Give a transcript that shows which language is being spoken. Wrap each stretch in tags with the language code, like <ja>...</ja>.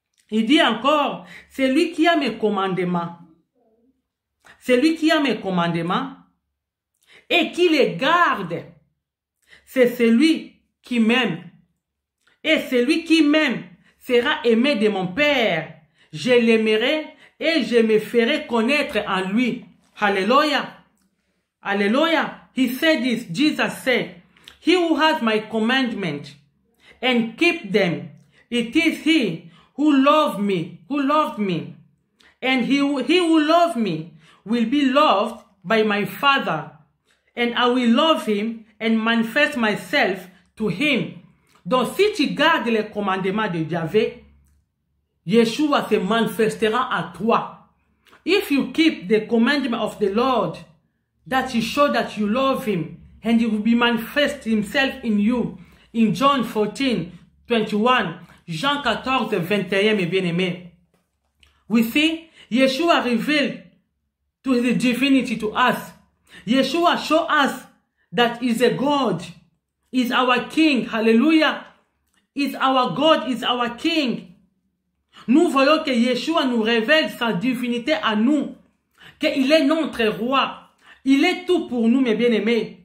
<fr>Il dit encore, c'est lui qui a mes commandements. C'est lui qui a mes commandements. Et qui les garde, c'est celui qui m'aime. Et celui qui m'aime sera aimé de mon Père. Je l'aimerai et je me ferai connaître en lui. Hallelujah. Hallelujah.</fr> <en>He said this, Jesus said, he who has my commandment and keep them, it is he who loves me, And he who loves me will be loved by my Father, and I will love him and manifest myself to him.</en> <fr>Donc si tu gardes les commandements de Yahvé, Yeshua se manifestera à toi.</fr> <en>If you keep the commandment of the Lord, that he showed that you love him and he will be manifest himself in you. In John</en> <fr>14, 21, Jean 14, 21, mes bien-aimés.</fr> <en>We see, Yeshua revealed to his divinity to us. Yeshua showed us that he's a God, he's our King. Hallelujah. He's our God, he's our King.</en> <fr>Nous voyons que Yeshua nous révèle sa divinité à nous, qu'il est notre roi. Il est tout pour nous, mes bien-aimés.</fr>